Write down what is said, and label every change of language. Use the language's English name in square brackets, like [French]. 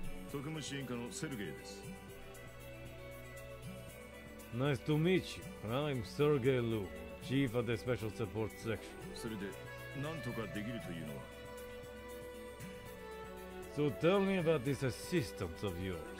[Japanese] 特務支援課のセルゲイです。 [English] Nice to meet you. I'm Sergei Lu, chief of the special support section. [Japanese] それで、何とかできるというのは。 [English] So tell me about this assistant of yours.